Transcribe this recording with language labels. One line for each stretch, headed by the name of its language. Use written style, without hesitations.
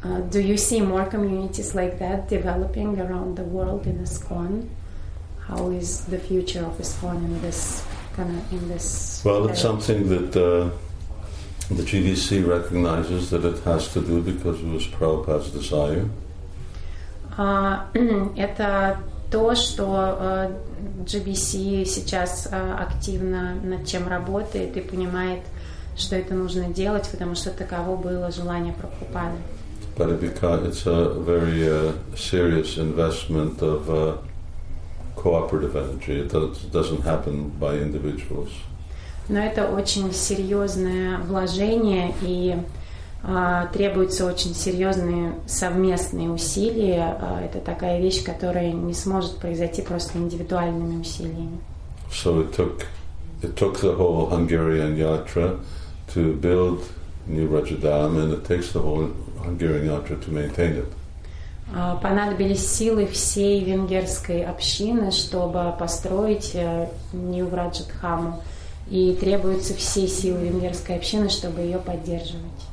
English: Do you see more communities like that developing around the world in ISKCON? How is the future of ISKCON in this kind of in this? Well, area? It's something that the GVC recognizes that it has to do because it was Prabhupada's desire.
Russian: Это то, что GVC сейчас активно над чем работает и понимает, что это нужно делать, потому что таково было желание Прабхупады.
English: But it's a very serious investment of cooperative energy. It doesn't happen by individuals.
Russian: Но это очень серьезное вложение, и требуются очень серьезные совместные усилия. Это такая вещь, которая не сможет произойти просто индивидуальными усилиями.
English: So it took the whole Hungarian yatra to build New Rajadham, and it takes the whole Hungarian yatra to maintain it.
Russian: Понадобились силы всей венгерской общины, чтобы построить New Rajadham, и требуются все силы венгерской общины, чтобы ее поддерживать.